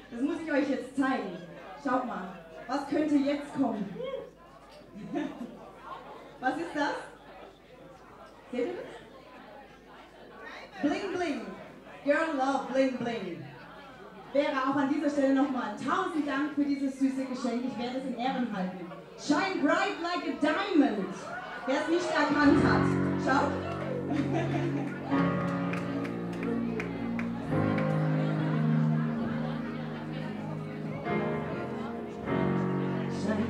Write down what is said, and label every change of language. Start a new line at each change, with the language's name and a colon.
German: Das muss ich euch jetzt zeigen. Schaut mal, was könnte jetzt kommen? Was ist das? Seht ihr das? Bling Bling.
English: Girl Love Bling Bling.
German: Vera, auch an dieser Stelle nochmal tausend Dank für dieses süße Geschenk. Ich werde es in Ehren halten.
English: Shine bright like a diamond.
German: Wer es nicht erkannt hat, schau.